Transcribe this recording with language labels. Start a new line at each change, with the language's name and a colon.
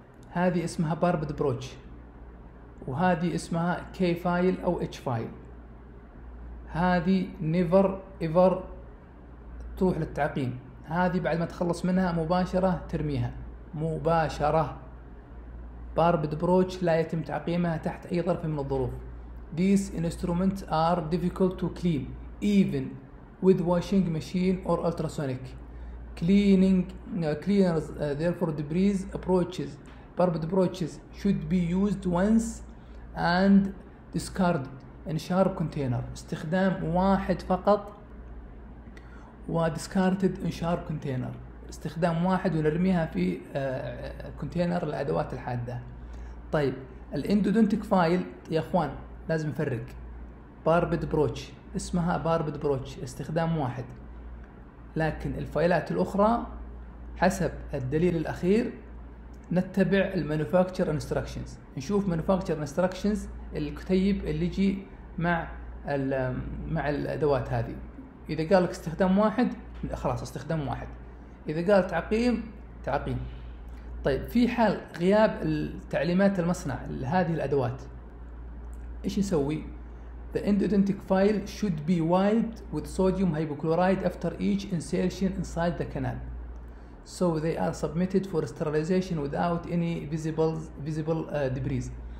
Arabic: هذه اسمها باربد بروتش، وهذه اسمها كي فايل او اتش فايل. هذه
English: never ever
Arabic: تروح للتعقيم، هذه بعد ما تخلص منها مباشرة ترميها مباشرة. باربد بروتش لا يتم تعقيمها تحت اي ظرف من الظروف.
English: These instruments are difficult to clean even with washing machine or ultrasonic cleaners, therefore debris approaches barbed brooches should be used once and discarded in sharp container.
Arabic: استخدام واحد فقط و
English: discarded in sharp container،
Arabic: استخدام واحد ونرميها في كونتينر الأدوات الحادة. طيب الاندودونتيك فايل يا اخوان لازم نفرق، باربد بروتش اسمها باربد بروتش استخدام واحد، لكن الفايلات الاخرى حسب الدليل الاخير نتبع المانوفاكتشر انستراكشنز، نشوف مانوفاكتشر انستراكشنز الكتيب اللي يجي مع الادوات هذه. اذا قال لك استخدام واحد خلاص استخدام واحد، اذا قال تعقيم. طيب في حال غياب التعليمات المصنع لهذه الادوات ايش نسوي؟
English: The endodontic file should be wiped with sodium hypochlorite after each insertion inside the canal so they are submitted for sterilization without any visible debris.